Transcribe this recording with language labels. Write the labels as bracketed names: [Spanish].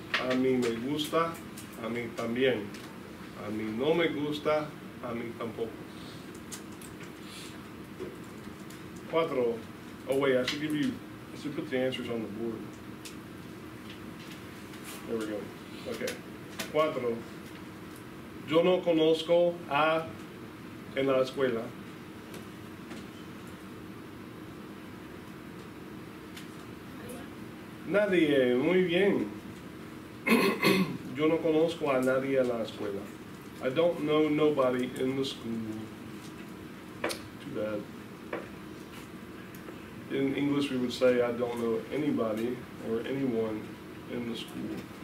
[Spanish] A mí me gusta, a mí también. A mí no me gusta, a mí tampoco. Cuatro. [English] Oh, wait, I should put the answers on the board. There we go. Okay. [Spanish] Cuatro. Yo no conozco a... En la escuela. Nadie. Muy bien. Yo no conozco a nadie en la escuela. [English] I don't know nobody in the school. Too bad. In English, we would say, I don't know anybody or anyone in the school.